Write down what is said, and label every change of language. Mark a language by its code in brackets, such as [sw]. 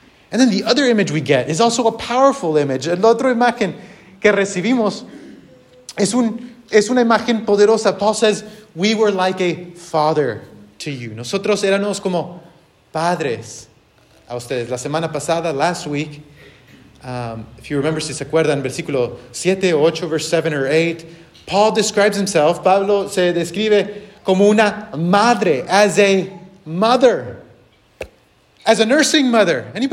[en] And then the other image we get is also a powerful image. [es] La otra imagen que recibimos es una imagen poderosa. [en] Paul says, we were like a father to you. [es] Nosotros éramos como padres a ustedes. La semana pasada, [en] last week, if you remember, [es] si se acuerdan, versículo 7 o 8, [en] verse 7 or 8, Paul describes himself, [es] Pablo se describe como una madre, [en] as a mother, as a nursing mother.